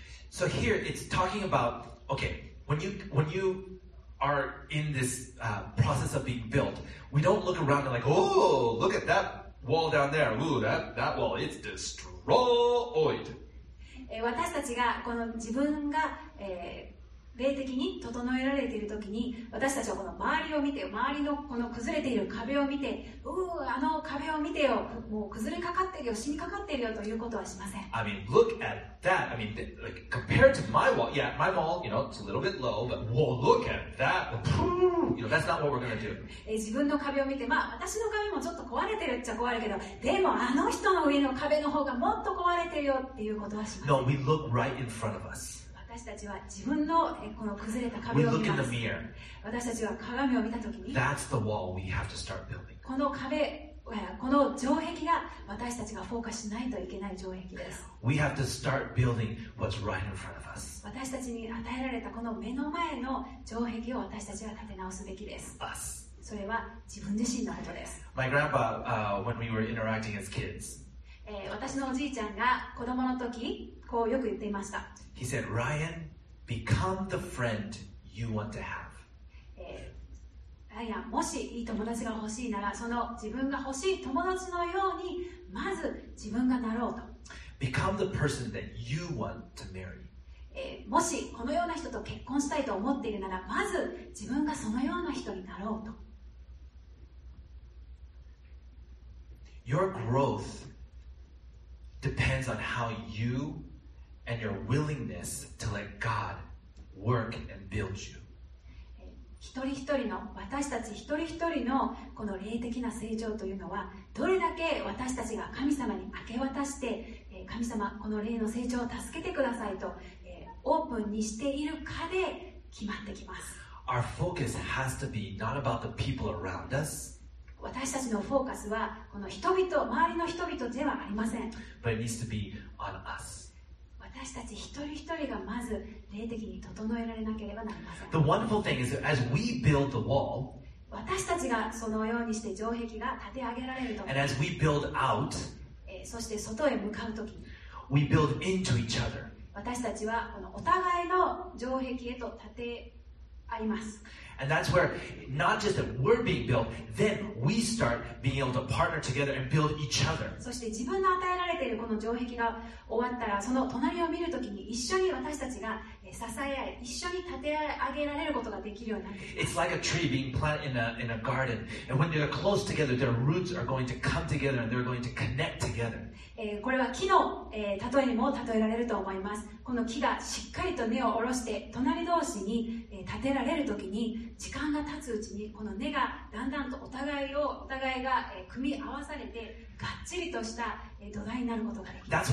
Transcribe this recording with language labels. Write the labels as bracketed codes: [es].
[en] So here it's talking about, okay, when you are in this process of being built, we don't look around and like, oh, look at that. Wall down there. Ooh, that wall, it's destroyed. [ja] 私たちがこの自分が、霊的に整えられているときに、私たちはこの周りを見て、周りのこの崩れている壁を見て、あの壁を見てよ、もう崩れかかっているよ、死にかかっているよということはしません。 [en] I mean, look at that. I mean, like, compared to my wall, yeah, my wall, you know, it's a little bit low, but whoa, look at that. You know, that's not what we're going to do. [ja] 自分の壁を見て、まあ、私の壁もちょっと壊れてるっちゃ壊れるけど、でもあの人の上の壁の方がもっと壊れてるよっていうことはしません。 [en] No, we look right in front of us. [ja] 私たちは自分のこの崩れた壁を見ます。私たちは鏡を見たときに [en] That's the wall we have to start building. [ja] この壁、この城壁が私たちがフォーカスしないといけない城壁です。 [en] We have to start building what's right in front of us. [ja] 私たちに与えられたこの目の前の城壁を私たちは立て直すべきです。 [en] Us. [ja] それは自分自身のことです。 [en] My grandpa, when we were interacting as kids, [ja] 私のおじいちゃんが子供の時、こうよく言っていました。 [en] He said, Ryan, become the friend you want to have. [ja] Ryan, もしいい友達が欲しいなら、その自分が欲しい友達のように、まず自分がなろうと。 [en] Become the person that you want to marry. [ja] もしこのような人と結婚したいと思っているなら、まず自分がそのような人になろうと。 [en] Your growth depends on how you and your willingness to let God work and build you. [ja] 一人一人の私たち一人一人のこの霊的な成長というのは、どれだけ私たちが神様に明け渡して、神様この霊の成長を助けてくださいと。オープンにしているかで決まってきます。 [en] Our focus has to be not about the people around us. [ja] 私たちのフォーカスはこの人々、周りの人々ではありません。 [en] But it needs to be on us. [ja] 私たち一人一人がまず霊的に整えられなければなりません。 [en] The wonderful thing is that as we build the wall, [ja] 私たちがそのようにして城壁が立て上げられると。 [en] And as we build out, [ja] そして外へ向かうとき、 [en] we build into each other. [ja] 私たちはこのお互いの城壁へと立て合います。 [en] And that's where not just that we're being built, then we start being able to partner together and build each other. [ja] そして自分の与えられているこの城壁が終わったら、その隣を見るときに一緒に私たちが支え合い、一緒に立て上げられることができるようになります。 [en] It's like a tree being planted in a garden, and when they're close together, their roots are going to come together and they're going to connect together. [ja] これは木の、例えにも例えられると思います。この木がしっかりと根を下ろして隣同士に、立てられるときに、時間が経つうちにこの根がだんだんとお互いが、組み合わされて、がっちりとした、土台になることができます。